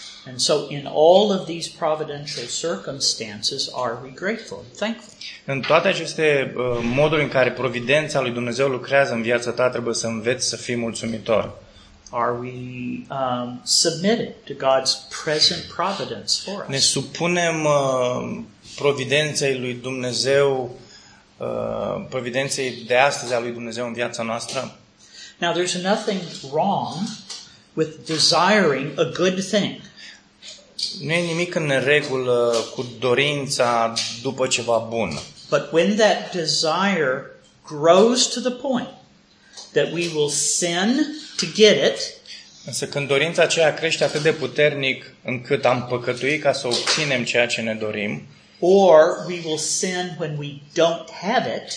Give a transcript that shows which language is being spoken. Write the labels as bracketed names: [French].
[English] And so in all of these providential circumstances are we grateful, thankful. [Romanian] În toate aceste moduri în care providența lui Dumnezeu lucrează în viața ta, trebuie să înveți să fii mulțumitor. [English] Are we submitted to God's present providence for us? [Romanian] Ne supunem providenței lui Dumnezeu providenței de astăzi a lui Dumnezeu în viața noastră. [English] Now there's nothing wrong with desiring a good thing. [Romanian] Nu e nimic în regulă cu dorința după ceva bun. [English] But when that desire grows to the point that we will sin to get it, [Romanian] însă când dorința aceea crește atât de puternic încât am păcătuit ca să obținem ceea ce ne dorim, [English] or we will sin when we don't have it,